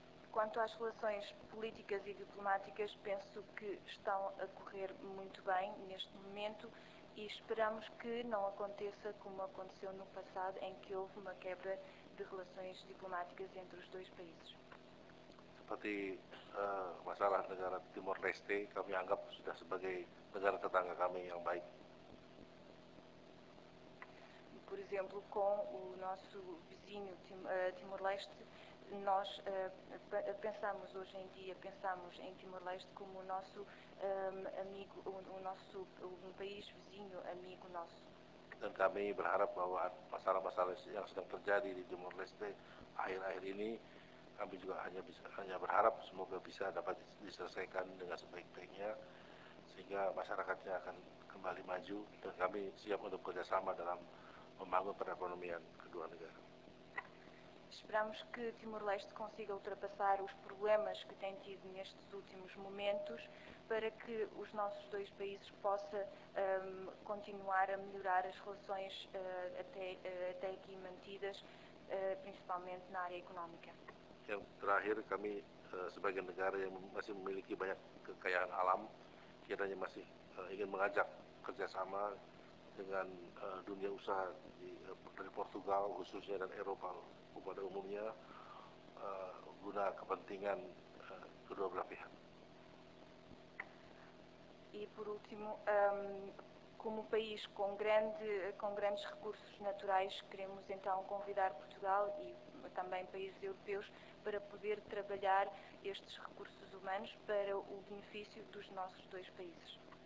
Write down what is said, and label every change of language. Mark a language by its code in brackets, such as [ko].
[pt] Quanto às relações políticas e diplomáticas, penso que estão a correr muito bem neste momento e esperamos que não aconteça como aconteceu no passado, em que houve uma quebra de relações diplomáticas entre os dois países. [id] Seperti masalah negara Timor Leste, kami anggap sudah sebagai negara tetangga kami yang baik. [pt] Por exemplo, com o nosso vizinho Timor Leste, nós pensamos hoje em dia, pensamos em Timor-Leste como o nosso amigo, um país vizinho, amigo nosso. [id] Dan kami berharap bahwa masalah-masalah yang sedang terjadi di Timor-Leste akhir-akhir ini, kami juga hanya berharap semoga bisa dapat diselesaikan dengan sebaik-baiknya, sehingga masyarakatnya akan kembali maju, dan kami siap untuk kerjasama dalam membangun perekonomian kedua negara. [pt] Esperamos que Timor-Leste consiga ultrapassar os problemas que tem tido nestes últimos momentos, para que os nossos dois países possam continuar a melhorar as relações até aqui mantidas, principalmente na área económica. [id] Yang terakhir, kami sebagai negara yang masih memiliki banyak kekayaan alam, kiranya masih ingin mengajak kerjasama dengan dunia usaha dari Portugal khususnya dan Eropa pada umumnya guna kepentingan kedua belah pihak. [pt] E por último, como país com grandes recursos naturais, queremos então convidar Portugal e também países europeus para poder trabalhar estes recursos humanos para o benefício dos nossos dois países.